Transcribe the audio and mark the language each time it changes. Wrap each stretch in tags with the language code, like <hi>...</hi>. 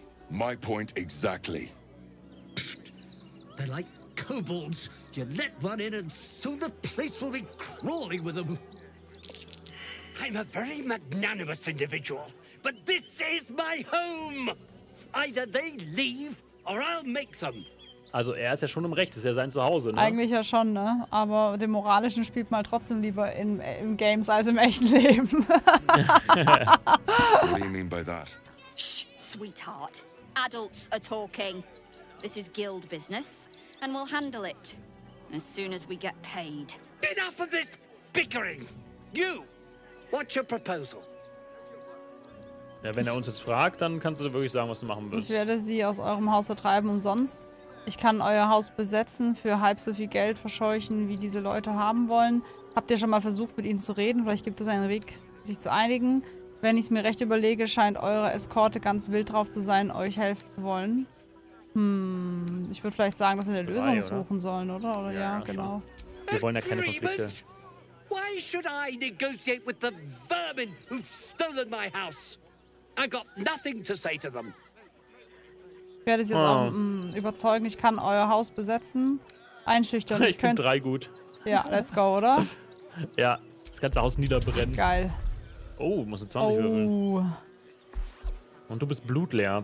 <en>My point exactly. They're like kobolds. You let one in and soon the place will be crawling with them. I'm a very magnanimous individual, but this is my home. Either they leave or I'll make them.</en> <de>Also er ist ja schon im Recht, ist ja sein Zuhause, ne? Eigentlich ja schon, ne? Aber den Moralischen spielt man trotzdem lieber in Games als im echten Leben.</de> <en>What do you mean by that? Shh, sweetheart. Adults are talking. This is guild business, and we'll handle it as soon as we get paid. Enough of this bickering! You, what's your proposal?</en> <de>Ja, wenn er uns jetzt fragt, dann kannst du wirklich sagen, was du machen willst. Ich werde sie aus eurem Haus vertreiben umsonst. Ich kann euer Haus besetzen, für halb so viel Geld verscheuchen, wie diese Leute haben wollen. Habt ihr schon mal versucht, mit ihnen zu reden? Vielleicht gibt es einen Weg, sich zu einigen. Wenn ich es mir recht überlege, scheint eure Eskorte ganz wild drauf zu sein, euch helfen zu wollen. Ich würde vielleicht sagen, dass wir eine Lösung suchen sollen, oder? Oder ja, genau. Wir wollen ja keine Konflikte.</de> <en>Why should I negotiate with the vermin who've stolen my house? I've got nothing to say to them.</en> <de>Ich werde sie jetzt auch überzeugen, ich kann euer Haus besetzen. Einschüchtern. Ich könnte drei gut. Ja,</de> <en>let's go,</en> <de>oder? Ja, das ganze Haus niederbrennen. Geil. Oh, musst du 20 würfeln. Und du bist blutleer.</de>